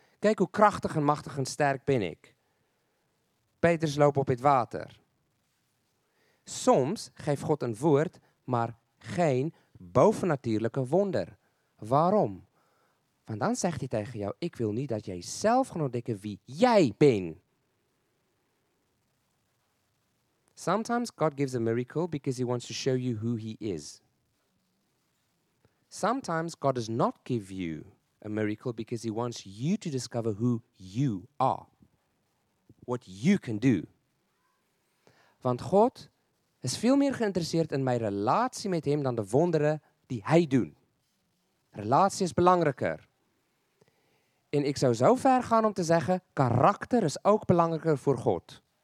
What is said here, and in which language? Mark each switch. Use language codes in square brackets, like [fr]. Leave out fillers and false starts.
[nl] Kijk hoe krachtig en machtig en sterk ben ik. Petrus loopt op het water. Soms geeft God een woord, maar geen bovennatuurlijke wonder. Waarom? Want dan zegt hij tegen jou, ik wil niet dat jij zelf gaat ontdekken wie jij bent. [en] Sometimes God gives a miracle because he wants to show you who he is. Sometimes God does not give you a miracle because he wants you to discover who you are. What you can do. [nl] Want God is veel meer geïnteresseerd in mijn relatie met hem dan de wonderen die hij doet. Relatie is belangrijker. En ik zou zo ver gaan om te zeggen, karakter is ook belangrijker voor God.